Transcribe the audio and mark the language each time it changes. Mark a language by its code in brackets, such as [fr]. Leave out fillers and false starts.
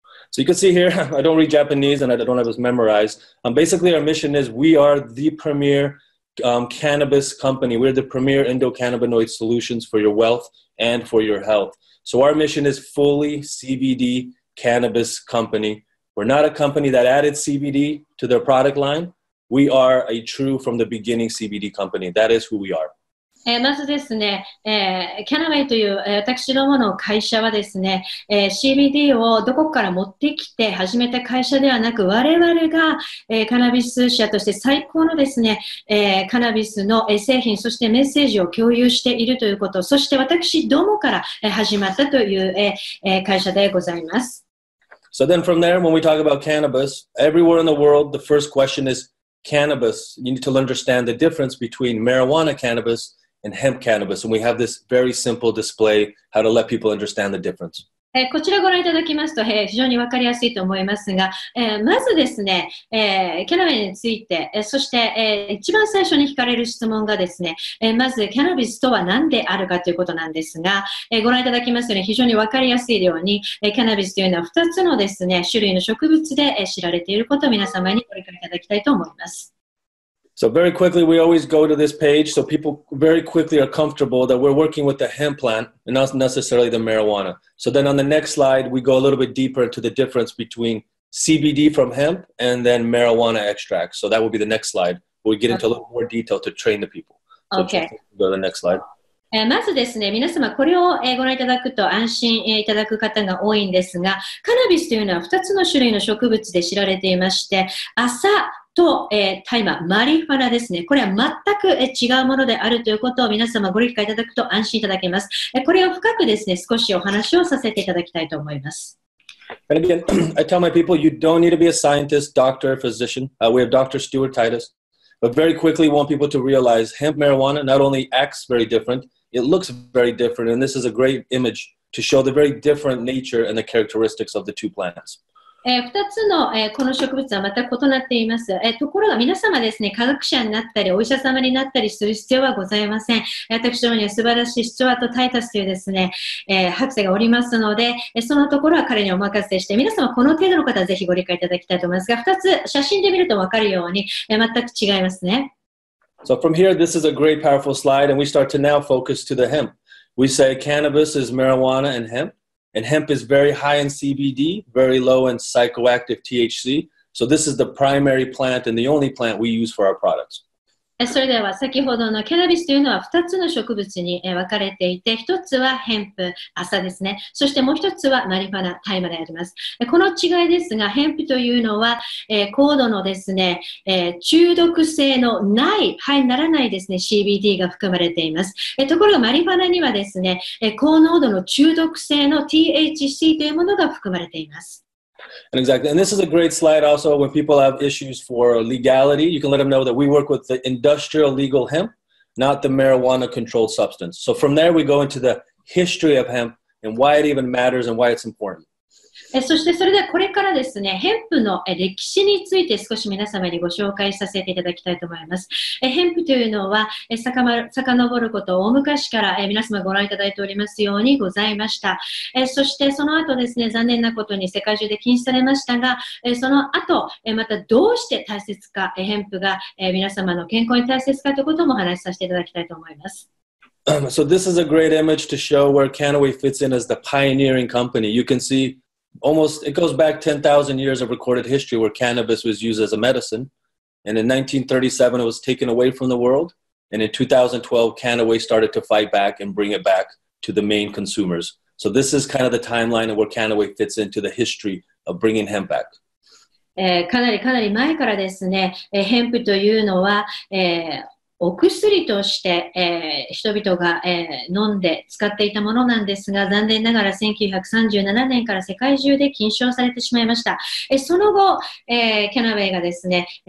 [en] So you can see here, I don't read Japanese and I don't have this memorized. Basically, our mission is we are the premier cannabis company. We're the premier endocannabinoid solutions for your wealth and for your health. So our mission is fully CBD cannabis company. We're not a company that added CBD to their product line. We are a true from the beginning CBD company. That is who we are. [ja] まずですね、キャナウェイという、私どもの会社はですね、CBD をどこから持ってきて始めた会社ではなく、我々が、カナビス社として最高のですね、カナビスの、製品、そしてメッセージを共有しているということ、そして私どもから、始まったという、会社でございます。 [en] So then from there, when we talk about cannabis, everywhere in the world, the first question is,Cannabis, you need to understand the difference between marijuana cannabis and hemp cannabis. And we have this very simple display how to let people understand the difference. [ja] こちらご覧いただきますと、非常にわかりやすいと思いますが、まずですね、キャナビスについて、そして、一番最初に聞かれる質問がですね、まずキャナビスとは何であるかということなんですが、ご覧いただきますように非常にわかりやすいように、キャナビスというのは2つのですね、種類の植物で、知られていることを皆様にご理解いただきたいと思います。 [en] So very quickly, we always go to this page so people very quickly are comfortable that we're working with the hemp plant and not necessarily the marijuana. So then on the next slide, we go a little bit deeper into the difference between CBD from hemp and then marijuana extract. So that will be the next slide. We'll get into a little more detail to train the people. So okay. Go to the next slide. [ja] まずですね、皆様これをご覧いただくと安心いただく方が多いんですが、カナビスというのは2つの種類の植物で知られていまして、アサと、タイマ、マリファナですね。これは全く、違うものであるということを皆様ご理解いただくと安心いただけます。これを深くですね、少しお話をさせていただきたいと思います。 [en] And again, I tell my people, you don't need to be a scientist, doctor, physician.、we have Dr. Stuart Titus. But very quickly, want people to realize hemp marijuana not only acts very different, it looks very different. And this is a great image to show the very different nature and the characteristics of the two plants. [ja] 2つの、この植物は全く異なっています、ところが皆様ですね科学者になったりお医者様になったりする必要はございません、私どもには素晴らしいスチュワート・タイタスというですね、博士がおりますので、そのところは彼にお任せして皆様この程度の方はぜひご理解いただきたいと思いますが2つ写真で見ると分かるように、全く違いますね [en] So from here this is a great powerful slide and we start to now focus to the hemp We say cannabis is marijuana and hempAnd hemp is very high in CBD, very low in psychoactive THC. So this is the primary plant and the only plant we use for our products. [ja] それでは先ほどのキャナビスというのは2つの植物に分かれていて1つはヘンプ、アサですねそしてもう1つはマリファナ、タイマでありますこの違いですがヘンプというのは、高度のですね、中毒性のない、肺にならないですね CBD が含まれています、ところがマリファナにはですね、高濃度の中毒性の THC というものが含まれています [en] And exactly, and this is a great slide also when people have issues for legality, you can let them know that we work with the industrial legal hemp, not the marijuana controlled substance. So from there we go into the history of hemp and why it even matters and why it's important. [ja] そしてそれではこれからですね、ヘンプの歴史について少し皆様にご紹介させていただきたいと思います。ヘンプというのは、遡ること、大昔から皆様ご覧いただいておりますようにございました。そしてその後ですね、残念なことに世界中で禁止されましたが、その後、またどうして大切か、ヘンプが皆様の健康に大切かということもお話しさせていただきたいと思います。 [en] So this is a great image to show where Kannaway fits in as the pioneering company. You can seeAlmost, it goes back 10,000 years of recorded history where cannabis was used as a medicine. And in 1937, it was taken away from the world. And in 2012, Kannaway started to fight back and bring it back to the main consumers. So this is kind of the timeline of where Kannaway fits into the history of bringing hemp back. [ja] かなり前からですね、ヘンプというのは、お薬として、人々が、飲んで使っていたものなんですが残念ながら1937年から世界中で禁止されてしまいました、その後、キャナウェイがですね、